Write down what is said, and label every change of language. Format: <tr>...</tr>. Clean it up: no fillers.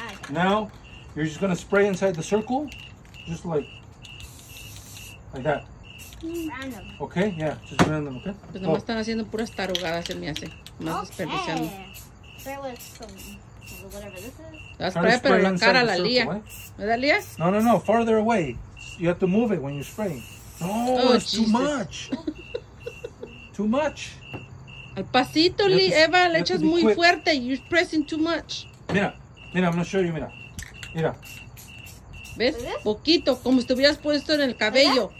<en>Now, you're just gonna spray inside the circle, just like that. Random. Okay. Yeah. Just random. Okay.</en> <es>Pues nomás están haciendo puras tarugadas, se me hace. Más desperdiciando.</es> <en>Okay. Spray with some whatever this is. Try to spray inside the circle. Eh? No, no, no. Farther away. You have to move it when you're spraying. No, it's too much. Too much.</en> <es>Al pasito, Eva, le echas muy fuerte.</es> <en>You're pressing too much.</en> <es>Mira, mira,</es> <en>I'm going to show you, mira.</en> <es>Mira. ¿Ves? Poquito, como si te hubieras puesto en el cabello.</es>